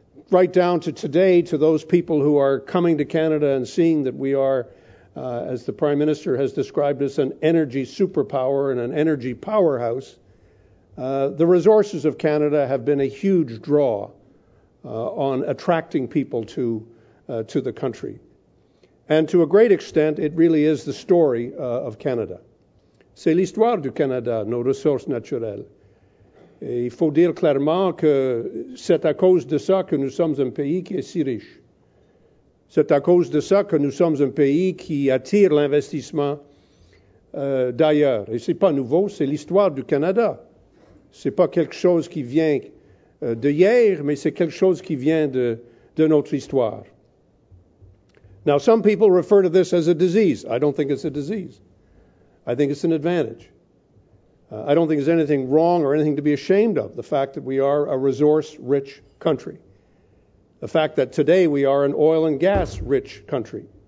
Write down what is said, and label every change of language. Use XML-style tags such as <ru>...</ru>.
<en>right down to today, to those people who are coming to Canada and seeing that we are, as the Prime Minister has described us, an energy superpower and an energy powerhouse, the resources of Canada have been a huge draw on attracting people to the country. And to a great extent, it really is the story of Canada.</en> <fr>C'est l'histoire du Canada, nos ressources naturelles. Et il faut dire clairement que c'est à cause de ça que nous sommes un pays qui est si riche. C'est à cause de ça que nous sommes un pays qui attire l'investissement d'ailleurs. Et ce n'est pas nouveau, c'est l'histoire du Canada. Ce n'est pas quelque chose qui vient de hier, mais c'est quelque chose qui vient de notre histoire.</fr> <en>Now, some people refer to this as a disease. I don't think it's a disease. I think it's an advantage. I don't think there's anything wrong or anything to be ashamed of, the fact that we are a resource-rich country. The fact that today we are an oil and gas-rich country.</en>